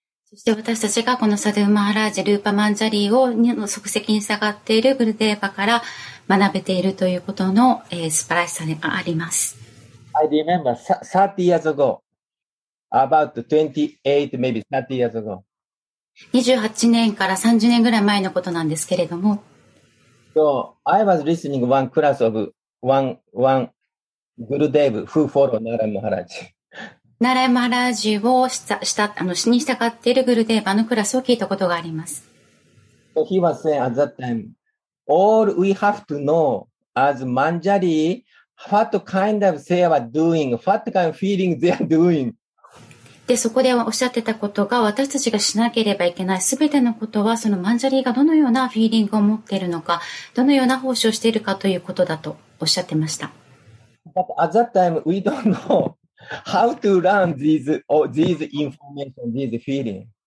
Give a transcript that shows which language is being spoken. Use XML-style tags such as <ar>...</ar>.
<ja>そして私たちがこのサドゥ・マハラージ・ルーパ・マンジャリーを足跡に従っているグルデーバから学べているということの、素晴らしさがあります。</ja> <en>I remember 30 years ago about 28 maybe 30 years ago</en> <ja>28年から30年ぐらい前のことなんですけれども、</ja> <en>So I was listening one class of one グルデーブ who follow ナラ・マハラージ</en> <ja>ナラヤマハラージュをした、あの、死に従っているグルデーバのクラスを聞いたことがあります。</ja> <en>So、he was saying at that time, all we have to know as Manjari, what kind of seva doing, what kind of feeling they are doing.</en> <ja>で、そこでおっしゃってたことが、私たちがしなければいけない全てのことは、そのマンジャリーがどのようなフィーリングを持っているのか、どのような奉仕をしているかということだとおっしゃってました。</ja> <en>But at that time, we don't know. How to learn these information, these feelings?</en>